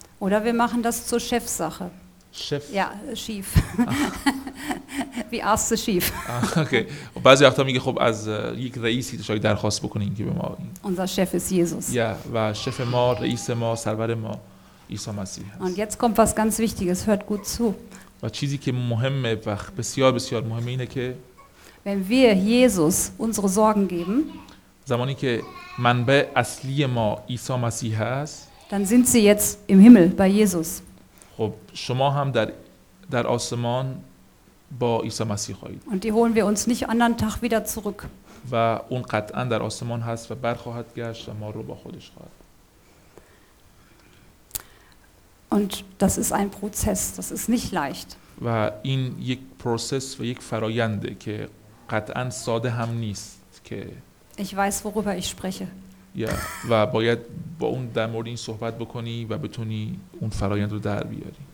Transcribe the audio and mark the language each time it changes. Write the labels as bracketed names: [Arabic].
[German] Oder wir machen das zur Chefsache. Chef. Ja, schief. Wie arst du schief? Okay. [Persian] Und بعضی وقتا میگه خب از یک رئیسی شاید درخواست بکنین که به ما [German] Unser Chef ist Jesus. [Persian] Ja, و شف ما، رئیس ما، سرور ما عیسی مسیح است. [German] Und jetzt kommt was ganz wichtiges, hört gut zu. [Persian] و چیزی که مهمه و بسیار بسیار مهمه اینه که [German] Wenn wir Jesus unsere Sorgen geben, [Persian] زمانی که منبع اصلی ما عیسی مسیح است, [German] dann sind sie jetzt im Himmel bei Jesus. [Persian] خب شما هم در آسمان با عیسی مسیح خواهید. [German] Und die holen wir uns nicht anderen Tag wieder zurück. [Persian] و اون قطعا در آسمان هست و برخواهد گشت و ما رو با خودش خواهد. [German] Und das ist ein Prozess, das ist nicht leicht. [Persian] و این یک پروسس و یک فراینده که قطعا ساده هم نیست که [German] Ich weiß worüber ich spreche. [Persian] Ja, و باید با اون در مورد این صحبت بکنی و بتونی اون فرایند رو در بیاری.